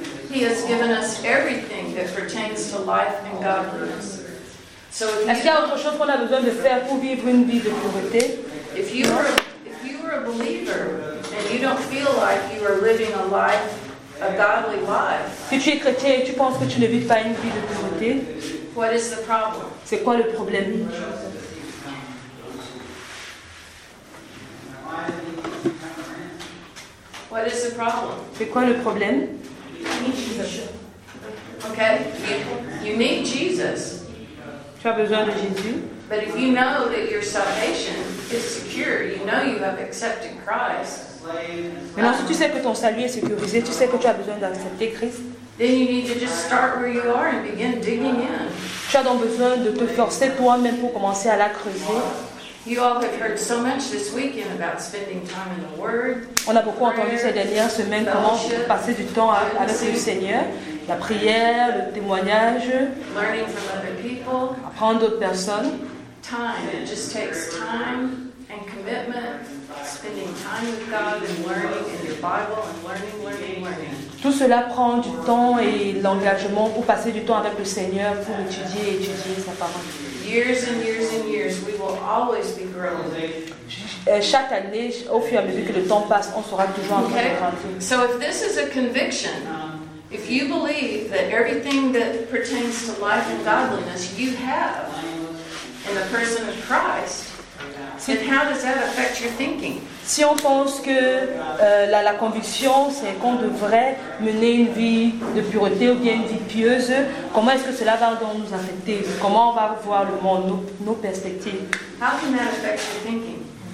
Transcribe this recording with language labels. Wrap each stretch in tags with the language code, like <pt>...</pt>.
<en>He has given us everything that pertains to life and godliness.</en> <fr>So est-ce qu'il y a autre chose qu'on a besoin de faire pour vivre une vie de pauvreté?</fr> <en>If you are a believer and you don't feel like you are living a life, a godly life.</en> <fr>Si tu es chrétien et tu penses que tu ne vis pas une vie de pauvreté,</fr> <en>what is the problem?</en> <fr>C'est quoi le problème?</fr> <en>What is the problem?</en> <fr>C'est quoi le problème?</fr> <en>You need Okay? You need Jesus.</en> <fr>Tu as besoin de Jésus.</fr> <en>But if you know that your salvation is secure, you know you have accepted Christ.</en> <fr>Maintenant, si tu sais que ton salut est sécurisé, tu sais que tu as besoin d'accepter Christ.</fr> <en>Then you need to just start where you are and begin digging in.</en> <fr>Tu as donc besoin de te forcer toi-même pour commencer à la creuser.</fr> <en>You all have heard so much this weekend about spending time in the Word.</en> <fr>On a beaucoup entendu ces dernières semaines comment passer du temps avec le Seigneur, la prière, le témoignage,</fr> <en>learning from other people,</en> <fr>apprendre d'autres personnes.</fr> <en>Time, it just takes time and commitment. Spending time with God and learning in your Bible and learning.</en> <fr>Tout cela prend du temps et l'engagement pour passer du temps avec le Seigneur pour étudier sa parole.</fr> <en>Years and years and years, we will always be growing.</en> <fr>Chaque année, au fur et à mesure que le temps passe, on sera toujours en train de grandir.</fr> <en>So if this is a conviction, if you believe that everything that pertains to life and godliness you have in the person of Christ, then how does that affect your thinking?</en> <fr>Si on pense que la conviction, c'est qu'on devrait mener une vie de pureté ou bien une vie pieuse, comment est-ce que cela va donc nous affecter? Comment on va voir le monde, nos perspectives?</fr> <en>How can that affect your thinking?</en>